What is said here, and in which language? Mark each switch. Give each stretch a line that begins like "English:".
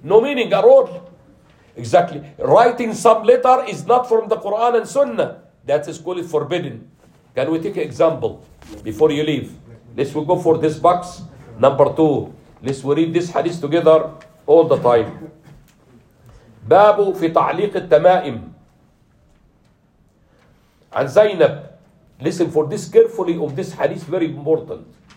English: No meaning at all. Exactly. Writing some letter is not from the Quran and Sunnah. That is called forbidden. Can we take an example before you leave? Let's we go for this box. Number two. Let's we read this hadith together all the time.
Arabic: باب في تعليق التمائم عن زينب.
English: Listen for this carefully of this hadith, very important.